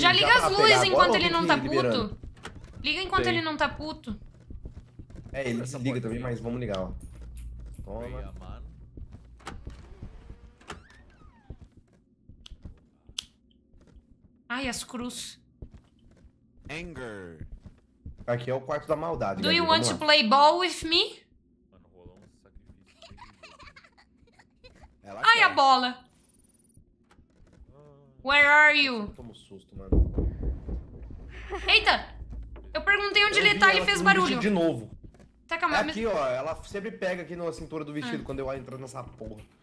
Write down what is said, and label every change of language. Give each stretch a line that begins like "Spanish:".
Portuguese: Já liga as luzes enquanto ele não tá liberando. Puto. Liga enquanto ele não tá puto. É, ele se liga também, mas vamos ligar, ó. Toma. Ai, as cruz.
English: Anger.
Portuguese: Aqui é o quarto da maldade.
English: Do you want to play ball with me?
Portuguese: Mano, rolou um sacrifício. Ai, a bola.
English: Where are you?
Portuguese: Toma susto, mano. Eita! Eu perguntei onde ele tá, ele fez barulho. De novo. Tá, calma. É aqui, ó. Ela sempre pega aqui na cintura do vestido quando eu entro nessa porra.